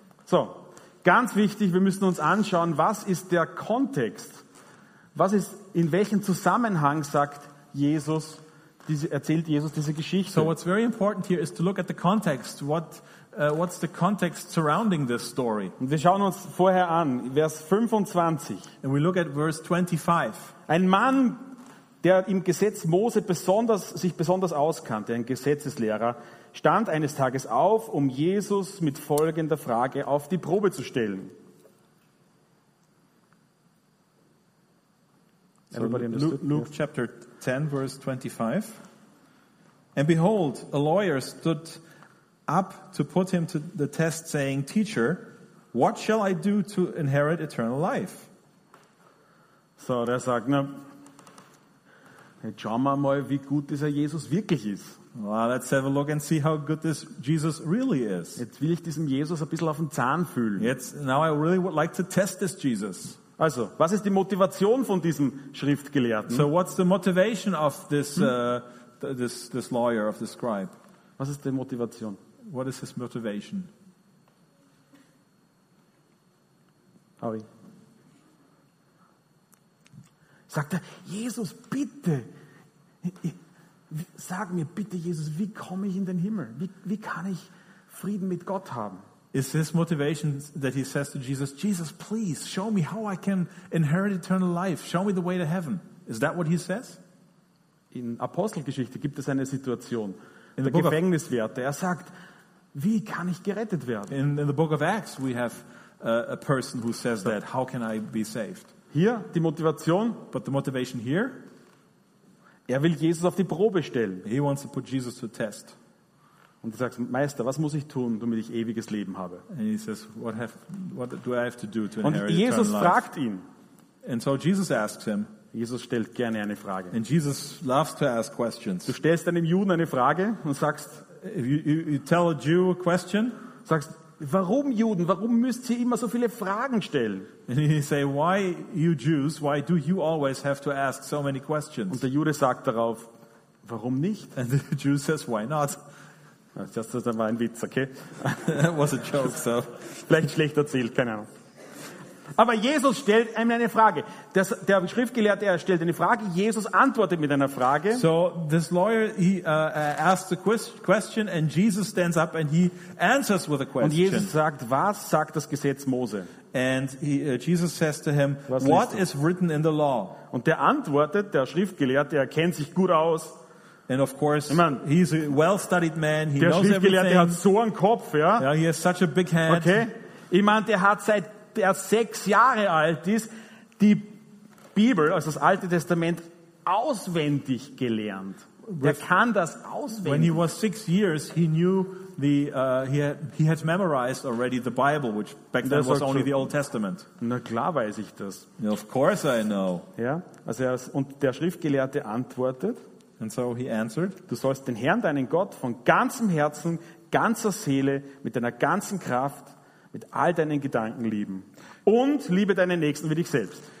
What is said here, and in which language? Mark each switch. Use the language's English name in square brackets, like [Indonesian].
[German] So, ganz wichtig, wir müssen uns anschauen, was ist der Kontext? Was ist, in welchem Zusammenhang sagt Jesus, erzählt Jesus diese Geschichte? [English] So what's very important here is to look at the context. What's the context surrounding this story? [German] Und wir schauen uns vorher an, Vers 25. [English] And we look at verse 25. [German] Ein Mann, der im Gesetz Mose sich besonders auskannte, ein Gesetzeslehrer, stand eines Tages auf, um Jesus mit folgender Frage auf die Probe zu stellen. [English] Luke chapter 10, verse 25. And behold, a lawyer stood up to put him to the test, saying, Teacher, what shall I do to inherit eternal life? [German] So, der sagt, na, jetzt schauen wir mal, wie gut dieser Jesus wirklich ist. [English] Well, let's have a look and see how good this Jesus really is. [German] Jetzt will ich diesen Jesus ein bisschen auf den Zahn fühlen. [English] Now I really would like to test this Jesus. [German] Also, was ist die Motivation von diesem Schriftgelehrten? [English] So what's the motivation of this this lawyer, of the scribe? [German] Was ist die Motivation? [English] What is his motivation? Howie. [German] Sagt er, Jesus, bitte. Sag mir bitte, Jesus, wie komme ich in den Himmel? Wie kann ich Frieden mit Gott haben? [English] Is his motivation that he says to Jesus, Jesus, please show me how I can inherit eternal life. Show me the way to heaven. Is that what he says? [German] In Apostelgeschichte gibt es eine Situation. In der Gefängniswärter. Er sagt, wie kann ich gerettet werden? [English] In the book of Acts we have a person who says that. How can I be saved? [German] Hier, die Motivation. [English] But the motivation here? [German] Er will Jesus auf die Probe stellen. [English] He wants to put Jesus to test. [German] Und du sagst, Meister, was muss ich tun, damit ich ewiges Leben habe? [English] And he says, what do I have to do to inherit [German] Jesus fragt [English] life? [German] Ihn. [English] And so Jesus asks him. [German] Jesus stellt gerne eine Frage. [English] And Jesus loves to ask questions. [German] Du stellst einem Juden eine Frage und sagst, [English] you tell a Jew a question. [German] Sagst, warum Juden, warum müsst ihr immer so viele Fragen stellen? [English] And he say, why you Jews, why do you always have to ask so many questions? [German] Und der Jude sagt darauf, warum nicht? [English] And the Jew says, why not? [German] Das war ein Witz, okay? [English] That was a joke, so. [German] Vielleicht schlecht erzählt, keine Ahnung. Aber Jesus stellt ihm eine Frage. Der Schriftgelehrte, er stellt eine Frage. Jesus antwortet mit einer Frage. [English] So, this lawyer, he asks a question and Jesus stands up and he answers with a question. [German] Und Jesus sagt, was sagt das Gesetz Mose? [English] And Jesus says to him, what is written in the law? [German] Und der antwortet, der Schriftgelehrte, er kennt sich gut aus. [English] And of course, I mean, he's a well-studied man. He [German] der [English] knows [German] Schriftgelehrte [English] everything. [German] Hat so einen Kopf, ja? [English] Yeah, he has such a big head. Okay. [German] Ich meine, der hat seit er 6 Jahre alt ist, die Bibel, also das Alte Testament, auswendig gelernt. Er kann das auswendig. [English] When he was 6 years, he knew he had memorized already the Bible, which back then was only the Old Testament. [German] Na klar weiß ich das. [English] Of course I know. [German] Ja, also und der Schriftgelehrte antwortet. [English] And so he answered. [German] Du sollst den Herrn, deinen Gott, von ganzem Herzen, ganzer Seele, mit deiner ganzen Kraft, mit all deinen Gedanken lieben und liebe deinen Nächsten wie dich selbst.